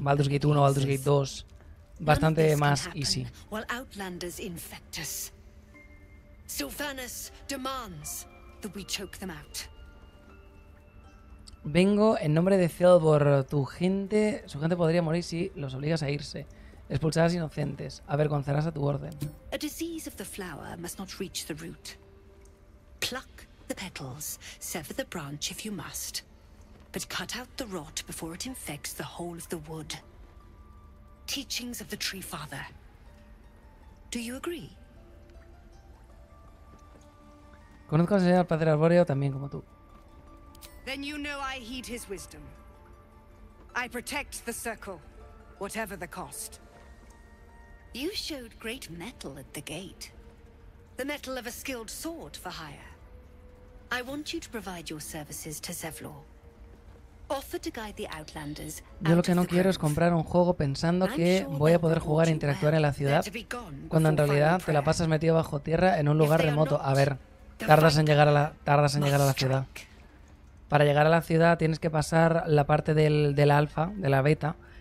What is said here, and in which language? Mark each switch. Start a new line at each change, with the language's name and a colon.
Spanish: Baldur's Gate 1, Baldur's Gate 2. Bastante más easy.
English: While Outlanders infect us. Sylvanas demands that we choke them out.
Spanish: Vengo en nombre de Thelbor. Tu gente, su gente podría morir si los obligas a irse. Expulsarás inocentes. Avergonzarás a tu orden.
English: A disease of the flower must not reach the root. Pluck the petals, sever the branch if you must. But cut out the rot before it infects the whole of the wood. Teachings of the Tree Father. Do you agree?
Spanish: Conozco al señor Padre Arbóreo también como tú.
English: Then you know I heed his wisdom. I protect the circle, whatever the cost. You showed great metal at the gate. The metal of a skilled sword for hire. I want you to provide your services to Zevlor. Offer to guide the outlanders.
Spanish: Yo lo que no quiero es comprar un juego pensando que voy a poder jugar e interactuar en la ciudad, cuando en realidad te la pasas metido bajo tierra en un lugar remoto. A ver, Tardas en llegar a la ciudad. Para llegar a la ciudad tienes que pasar la parte del alfa, de la beta.